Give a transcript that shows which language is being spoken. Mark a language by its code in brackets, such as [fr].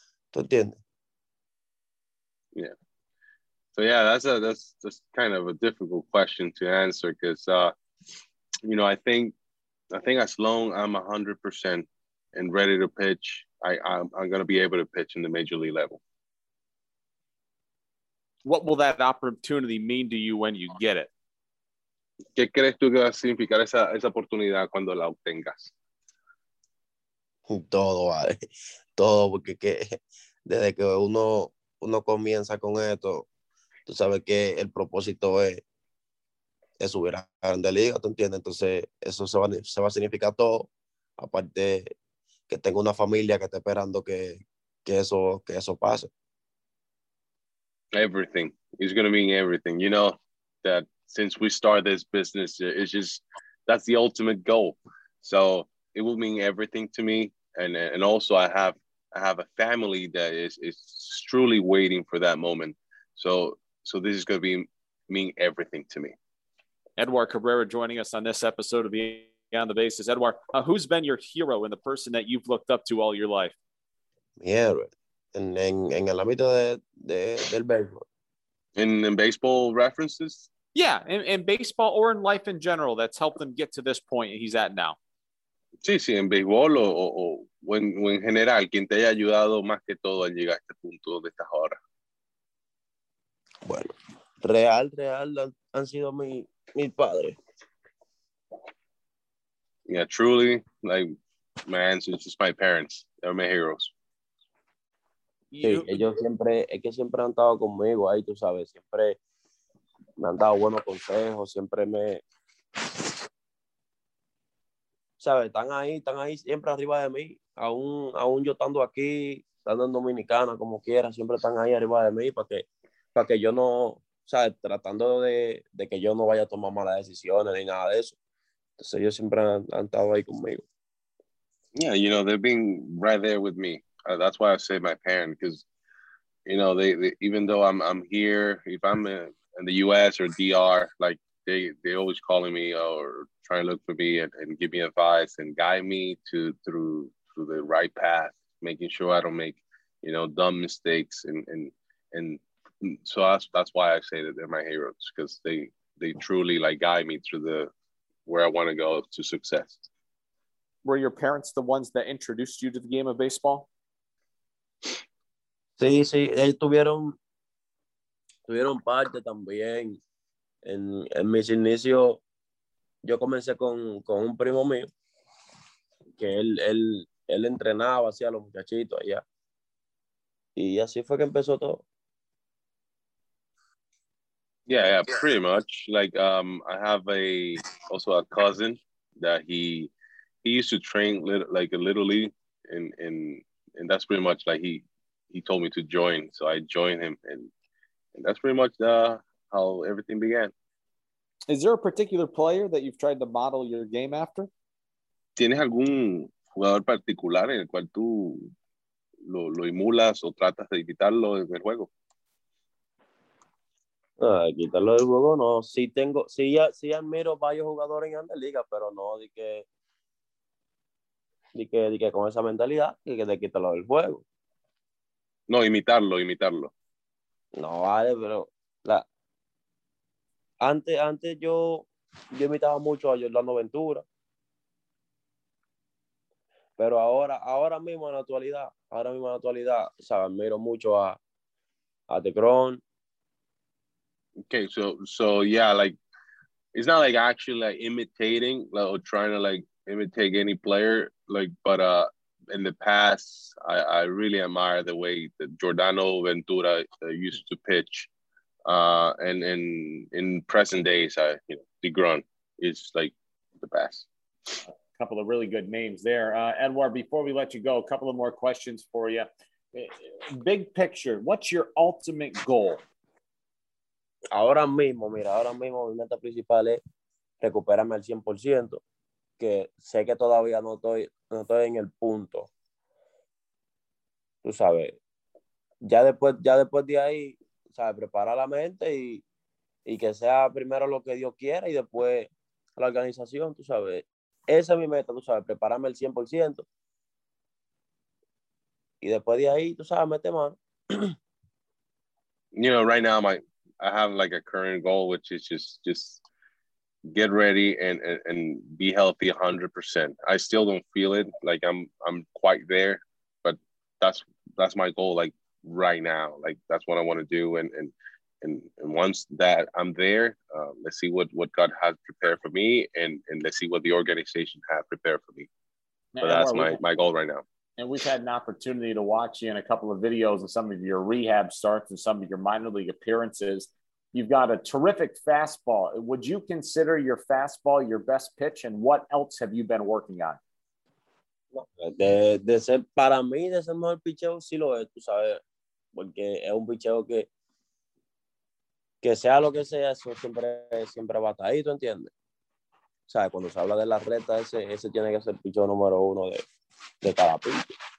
[es] ¿Tú entiendes? [en] Yeah. So yeah, that's kind of a difficult question to answer because you know, I think as long as I'm 100% and ready to pitch, I'm going to be able to pitch in the major league level. What will that opportunity mean to you when you get it? [es] ¿Qué crees tú que va a significar esa oportunidad cuando la obtengas? Todo, vale. Todo, porque desde que uno comienza con esto, tú sabes que el propósito es subir a Grandes Ligas, ¿tú entiendes? Entonces, eso se va a significar todo. Aparte, que tengo una familia que está esperando que eso pase. [en] Everything. It's going to mean everything. You know that since we started this business, it's just, that's the ultimate goal. So it will mean everything to me. And also I have a family that is truly waiting for that moment. So this is going to mean everything to me. Edouard Cabrera joining us on this episode of Beyond the Bases. Edouard, who's been your hero and the person that you've looked up to all your life? [es] Yeah, en el ámbito del béisbol. [en] In baseball references? Yeah, in baseball or in life in general, that's helped him get to this point he's at now. [es] Sí, sí, en béisbol o en general, quien te haya ayudado más que todo en llegar a este punto donde estás ahora. Bueno, real han sido mi padre. [en] Yeah, truly, like, my answer is just my parents. They're my heroes. [es] Sí, ellos siempre, es que siempre han estado conmigo ahí, tú sabes, siempre me han dado buenos consejos, siempre me, ¿sabes? Están ahí siempre arriba de mí, aún yo estando aquí, estando en Dominicana, como quiera, siempre están ahí arriba de mí para que yo no, o sea, tratando de que yo no vaya a tomar malas decisiones ni nada de eso. Entonces ellos siempre han estado ahí conmigo. [en] Yeah, you know, they've been right there with me. That's why I say my parents, because, you know, they even though I'm here, if I'm in the U.S. or DR, like, they always calling me or trying to look for me and give me advice and guide me through the right path, making sure I don't make, you know, dumb mistakes. And so that's why I say that they're my heroes, because they truly, like, guide me through the where I want to go to success. Were your parents the ones that introduced you to the game of baseball? [es] Sí, sí. Ellos tuvieron parte también. En mis inicios, yo comencé con un primo mío, que él entrenaba así a los muchachitos allá. Y así fue que empezó todo. [en] Yeah, pretty much. Like, I have also a cousin that he used to train like a little league, and that's pretty much like he told me to join, so I joined him, and that's pretty much how everything began. Is there a particular player that you've tried to model your game after? [es] ¿Tienes algún jugador particular en el cual tú lo emulas o tratas de imitarlo en el juego? Quitarlo del juego, no. Sí admiro varios jugadores en Grandes Ligas, pero no de que con esa mentalidad de quitarlo del juego. No, imitarlo. No, vale, pero antes yo imitaba mucho a Yordano Ventura. Pero ahora mismo en la actualidad, o sea, admiro mucho a Tecron. [en] Okay, so yeah, like, it's not like actually like imitating like, or trying to like imitate any player, like, but in the past, I really admire the way that Yordano Ventura used to pitch, and in present days, DeGrom is like the best. A couple of really good names there, Edouard. Before we let you go, a couple of more questions for you. Big picture, what's your ultimate goal? [es] Ahora mismo, mi meta principal es recuperarme al 100%, que sé que todavía no estoy en el punto. Tú sabes, ya después de ahí, sabes, preparar la mente y que sea primero lo que Dios quiera y después la organización, tú sabes. Esa es mi meta, tú sabes, prepararme al 100%. Y después de ahí, tú sabes, mete mano. [en] You know, right now, I have like a current goal, which is just get ready and be healthy 100%. I still don't feel it. Like I'm quite there, but that's my goal. Like right now, like that's what I want to do. And once that I'm there, let's see what God has prepared for me. And let's see what the organization has prepared for me. So that's my goal right now. And we've had an opportunity to watch you in a couple of videos and some of your rehab starts and some of your minor league appearances. You've got a terrific fastball. Would you consider your fastball your best pitch? And what else have you been working on? [es] De ser, para mí, de ser mejor picheo, sí lo es, tú sabes. Porque es un picheo que sea lo que sea, eso siempre va ahí, ¿tú entiendes? O sea, cuando se habla de la recta, ese tiene que ser picheo número uno de cada pinche.